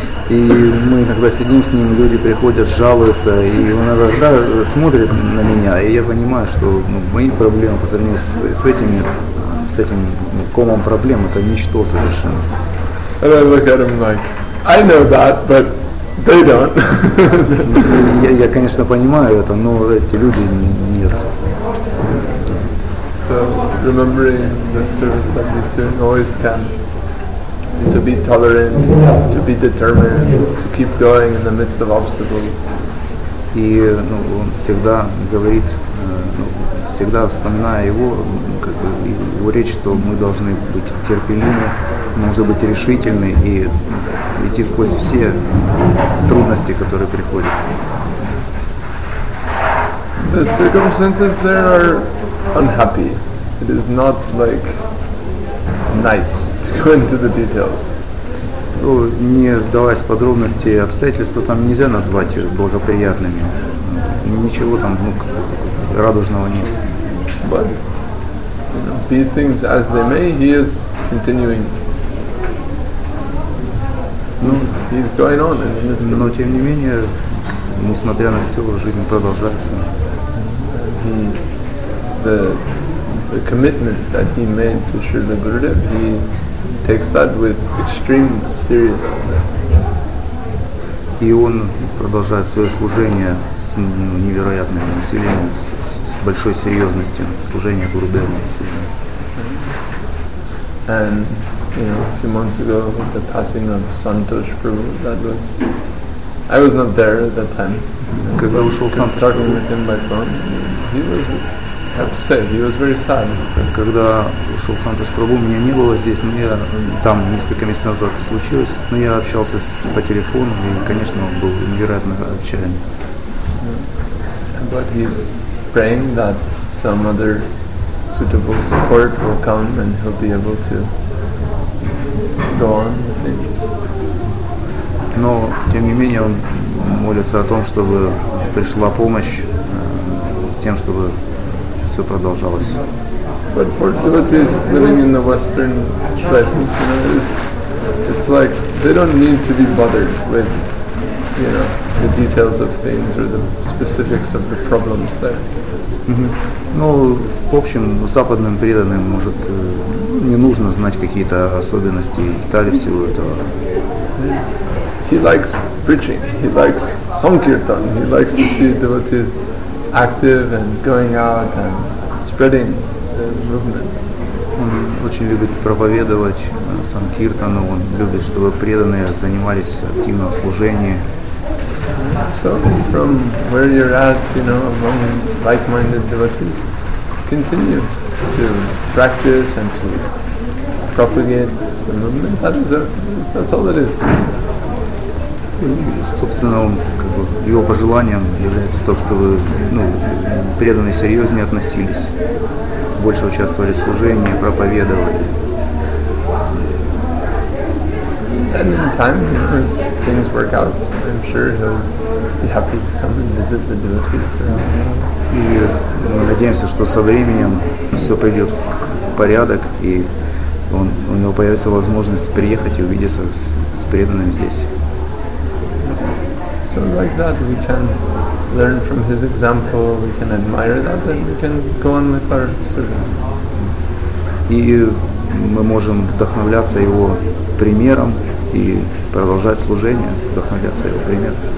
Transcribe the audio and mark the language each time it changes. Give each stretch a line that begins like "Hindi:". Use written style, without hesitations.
Russian: И мы иногда сидим с ним, люди приходят, жалуются, и он иногда смотрит на меня, и я понимаю, что мои проблемы по сравнению с этим комом проблем, это ничто совершенно.
English: And I look at him like, I know that, but they don't.
Russian: Я, конечно, понимаю это, но эти люди нет.
English: So, remembering the service that he's doing always can. To be tolerant, to be determined, to keep going in the midst of obstacles.
Russian: И он всегда говорит, всегда вспоминая его, как бы его речь, что мы должны быть терпеливы, нужно быть решительны и идти сквозь все трудности, которые приходят.
English: The circumstances there are unhappy. It is not like nice to go into the details.
Russian: Ну, не вдаваясь в подробности, обстоятельства там нельзя назвать благоприятными. Ничего там радужного нет.
English: But, you know, be things as they may, he is continuing. He's going on.
Russian: Но тем не менее, несмотря на все, жизнь продолжается.
English: He, the the commitment that he made to Srila Gurudev, he takes that with extreme seriousness.
Russian: И он продолжает свое служение с невероятными усилиями, с большой серьезностью, служение Гурудеву.
English: And you know, a few months ago, with the passing of Santosh Prabhu, that was, I was not there at that time.
Russian: Когда ушел Сантош
English: Прабху, talking with him by phone, he was, I have to say, he was very sad.
Russian: Когда ушел Сантош Прабху, меня не было здесь, но я там несколько месяцев назад случилось, но я общался по телефону, и, конечно, он был невероятно отчаян.
English: But he's praying that some other suitable support will come and he'll be able to go on with things.
Russian: Но, тем не менее, он молится о том, чтобы пришла помощь с тем, чтобы все продолжалось.
English: But for devotees living in the Western presence, you know, it's like they don't need to be bothered with, you know, the details of things or the specifics of the problems there.
Russian: Ну, в общем, западным преданным, может, не нужно знать какие-то особенности и детали всего этого.
English: He likes preaching, he likes sankirtan, he likes to see devotees active and going out and spreading the movement.
Russian: Он очень любит проповедовать санкиртану, он любит, чтобы преданные занимались активным служением.
English: So from where you're at, you know, among like-minded devotees, continue to practice and to propagate the movement. That's all it is.
Russian: Собственно, его пожеланием является то, чтобы преданные серьезнее относились, больше участвовали в служении, проповедовали.
English: And in time, you know, if things work out, I'm sure he'll be happy to come and visit the devotees.
Russian: И мы надеемся, что со временем все придет в порядок, и у него появится возможность приехать и увидеться с преданным здесь.
English: So like that, we can learn from his example, we can admire that, and we can go on with our service.
Russian: И мы можем вдохновляться его примером и продолжать служение, вдохновляться его примером.